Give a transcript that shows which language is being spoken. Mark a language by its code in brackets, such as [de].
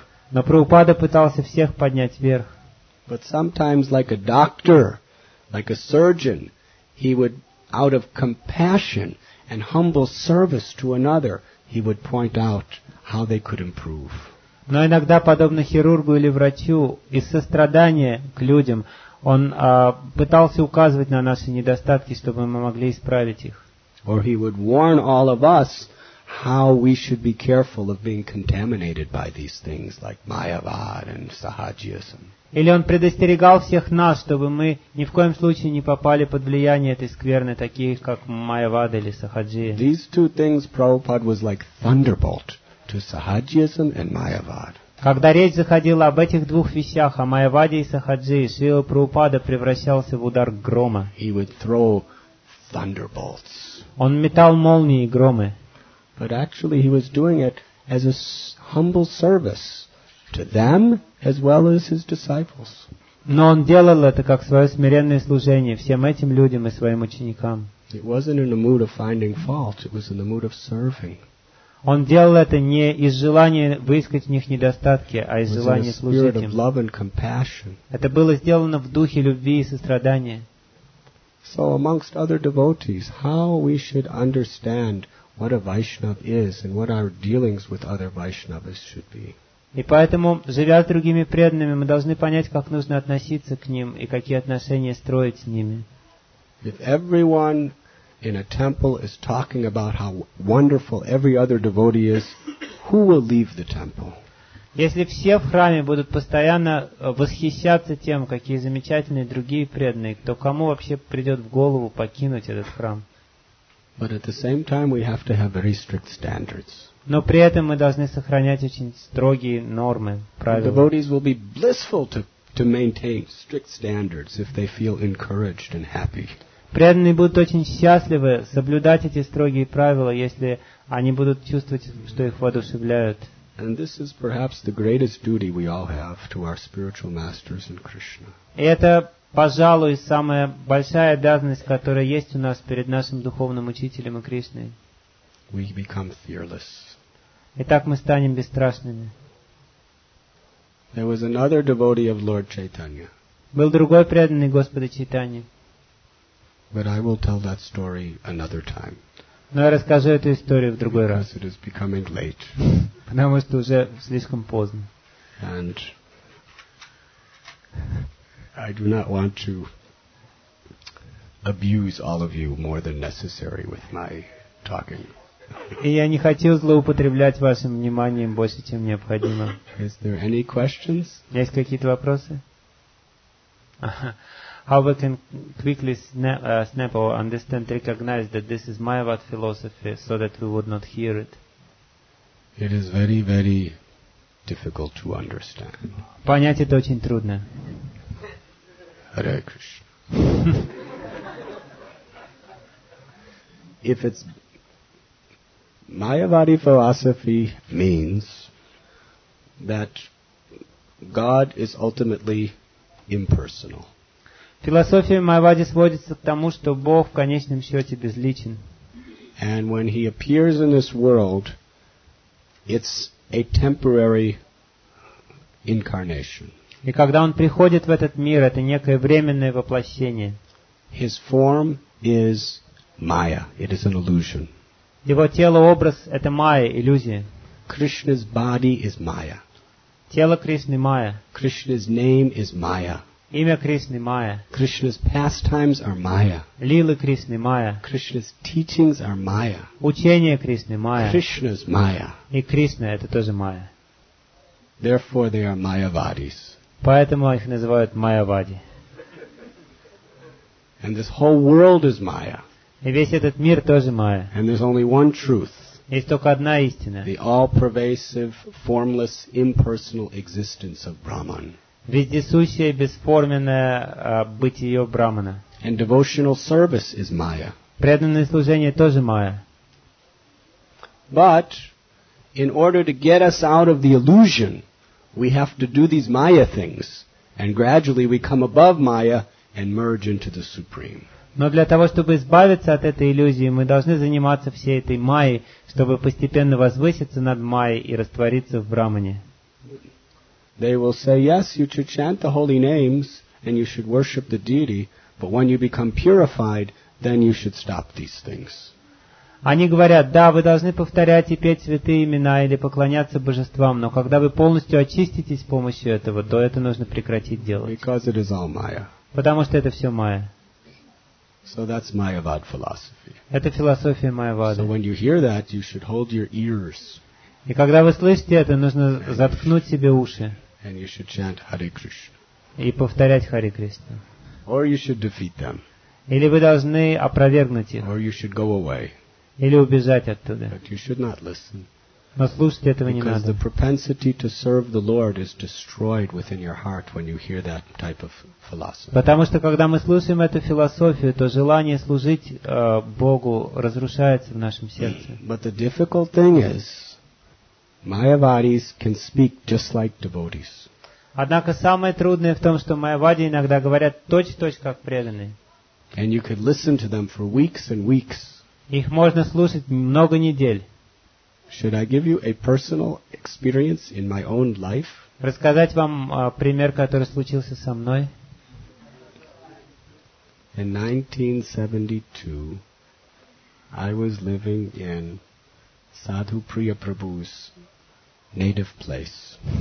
[ru] Но Прабхупада пытался всех поднять вверх. [en] But sometimes, like a doctor, like a surgeon, he would, out of compassion and humble service to another, he would point out how they could improve. [ru] Но иногда, подобно хирургу или врачу, из сострадания к людям, он пытался указывать на наши недостатки, чтобы мы могли исправить их. [en] Or he would warn all of us how we should be careful of being contaminated by these things like Mayavad and Sahajism. [ru] Или он предостерегал всех нас, чтобы мы ни в коем случае не попали под влияние этой скверны, таких как Mayavad или Sahajiya. [en] These two things Prabhupada was like thunderbolt to Sahajism and Mayavad. [ru] Когда речь заходила об этих двух вещах, о Майаваде и Сахаджи, Шрила Прабхупада превращался в удар грома. [en] He would throw thunderbolts. [ru] Он метал молнии и громы. [en] But actually he was doing it as a humble service to them as well as his disciples. [ru] Но он делал это как свое смиренное служение всем этим людям и своим ученикам. [en] It wasn't in the mood of finding fault, it was in the mood of serving. [ru] Он делал это не из желания выискать в них недостатки, а из желания служить им. Это было сделано в духе любви и сострадания. [en] So amongst other devotees, how we should understand what a Vaishnav is and what our dealings with other Vaishnavas should be. [ru] И поэтому, живя с другими преданными, мы должны понять, как нужно относиться к ним и какие отношения строить с ними. [en] If everyone in a temple is talking about how wonderful every other devotee is, who will leave the temple? [ru] Если все в храме будут постоянно восхищаться тем, какие замечательные другие преданные, то кому вообще придет в голову покинуть этот храм? [en] But at the same time we have to have very strict standards. [ru] Но при этом мы должны сохранять очень строгие нормы, правила. [en] The devotees will be blissful to maintain strict standards if they feel encouraged and happy. [ru] Преданные будут очень счастливы соблюдать эти строгие правила, если они будут чувствовать, что их воодушевляют. [en] And this is perhaps the greatest duty we all have to our spiritual masters in Krishna. [ru] И это, пожалуй, самая большая обязанность, которая есть у нас перед нашим духовным учителем и Кришной. [en] We become fearless. [ru] Итак, мы станем бесстрашными. [en] There was another devotee of Lord Chaitanya. [ru] Был другой преданный Господа Чайтаньи. [en] But I will tell that story another time. [ru] Но я расскажу эту историю в другой раз. [en] It is becoming late. [ru] Потому что уже слишком поздно. [en] And I do not want to abuse all of you more than necessary with my talking. [ru] И я не хотел злоупотреблять вашим вниманием больше, чем необходимо. [en] Is there any questions? [ru] Есть какие-то вопросы? [en] How we can quickly snap or understand, recognize that this is Mayavad philosophy so that we would not hear it? It is very, very difficult to understand. [ru] Понять это очень трудно. [sa] Hare Krishna. [en] If it's Mayavadi philosophy means that God is ultimately impersonal. [ru] Философия Майявади сводится к тому, что Бог в конечном счете безличен. [en] And when he appears in this world, it's a temporary incarnation. [ru] И когда он приходит в этот мир, это некое временное воплощение. [en] His form is Maya. It is an illusion. [ru] Его тело, образ — это Майя, иллюзия. [en] Krishna's body is Maya. [ru] Тело Кришны — Майя. [en] Krishna's name is Maya. [ru] Имя Кришны — Майя. [en] Krishna's pastimes are Maya. [ru] Лилы Кришны — Майя. [en] Krishna's teachings are Maya. [ru] Учения Кришны — Майя. [en] Krishna's Maya. [ru] И Кришна — это тоже Майя. [en] Therefore, they are Mayavadis. [ru] Поэтому их называют Майявади. [en] And this whole world is Maya. [ru] И весь этот мир тоже Майя. [en] And there's only one truth. [ru] Есть только одна истина. [en] The all-pervasive, formless, impersonal existence of Brahman. [ru] Вездесущее, бесформенное бытие Брахмана. [en] And devotional service is Maya. [ru] Преданное служение тоже Майя. [en] But in order to get us out of the illusion, we have to do these Maya things, and gradually we come above Maya and merge into the Supreme. [ru] Но для того, чтобы избавиться от этой иллюзии, мы должны заниматься всей этой Майей, чтобы постепенно возвыситься над Майей и раствориться в Брахмане. [en] They will say, yes, you should chant the holy names and you should worship the deity, but when you become purified, then you should stop these things. [ru] Они говорят, да, вы должны повторять и петь святые имена или поклоняться божествам, но когда вы полностью очиститесь с помощью этого, то это нужно прекратить делать. [en] Because it is all Maya. [ru] Потому что это все Майя. [en] So that's Mayavad philosophy. [ru] Это философия Майявады. [en] So when you hear that, you should hold your ears. [ru] И когда вы слышите это, нужно заткнуть себе уши. [en] And you should chant Hare Krishna. [ru] И повторять Харе Кришна. [en] Or you should defeat them. [ru] Или вы должны опровергнуть их. [en] Or you should go away. [ru] Или убежать оттуда. [en] But you should not listen. [ru] Но слушать этого не надо. [en] Because the propensity to serve the Lord is destroyed within your heart when you hear that type of philosophy. [ru] Потому что когда мы слушаем эту философию, то желание служить Богу разрушается в нашем сердце. [en] But the difficult thing is, Mayavadis can speak just like devotees. [ru] Однако самое трудное в том, что майявади иногда говорят точь-в-точь как преданные. [en] And you could listen to them for weeks and weeks. [ru] Их можно слушать много недель. [en] Should I give you a personal experience in my own life? [ru] Рассказать вам пример, который случился со мной. [en] In 1972, I was living in Sadhu Priya Prabhu's native place.